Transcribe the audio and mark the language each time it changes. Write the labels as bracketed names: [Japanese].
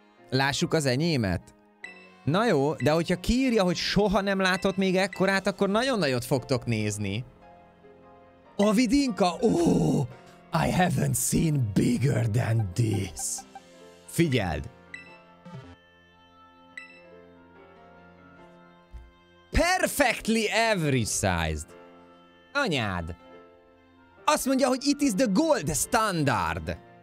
[Hungarian] Lássuk az enyémet. Na jó, de hogyha kiírja, hogy soha nem látott még ekkorát, akkor nagyon nagyot fogtok nézni. [English] A vidinka, I haven't seen bigger than this. [Hungarian] Figyeld! [English] Perfectly average sized. [Hungarian] Anyád! Azt mondja, hogy [English] it is the gold standard.